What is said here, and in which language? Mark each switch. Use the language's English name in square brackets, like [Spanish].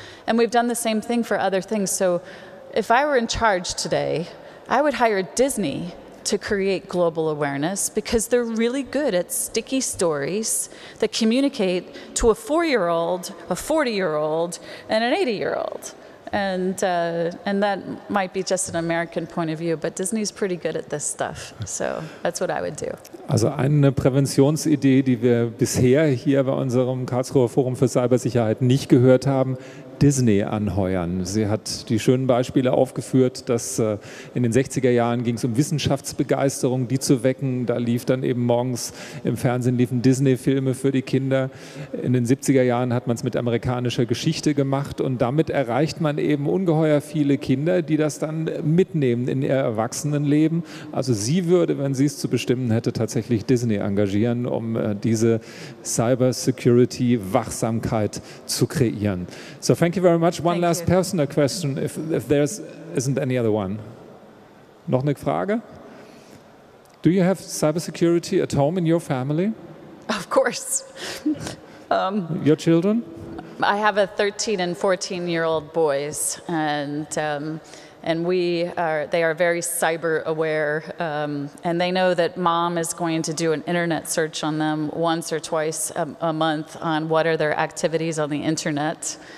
[English] And we've done the same thing for other things. So if I were in charge today, I would hire Disney to create global awareness because they're really good at sticky stories that communicate to a 4-year-old, a 40-year-old, and an 80-year-old. And that might be just an American point of view, but Disney's pretty good at this stuff. So that's what I would do. [German] Also eine Präventionsidee, die wir bisher hier bei unserem Karlsruher Forum für Cybersicherheit nicht gehört haben, Disney anheuern. Sie hat die schönen Beispiele aufgeführt, dass in den 60er Jahren ging es um Wissenschaftsbegeisterung, die zu wecken. Da lief dann eben morgens im Fernsehen liefen Disney-Filme für die Kinder. In den 70er Jahren hat man es mit amerikanischer Geschichte gemacht und damit erreicht man eben ungeheuer viele Kinder, die das dann mitnehmen in ihr Erwachsenenleben. Also sie würde, wenn sie es zu bestimmen hätte, tatsächlich Disney engagieren, um diese Cyber-Security-Wachsamkeit zu kreieren. [English] So thank you very much. One last personal question, if there isn't any other one. [German] Noch eine Frage? [English] Do you have cybersecurity at home in your family? Of course. Your children? I have a 13 and 14-year-old boys, and they are very cyber aware, and they know that mom is going to do an internet search on them once or twice a month on what are their activities on the internet.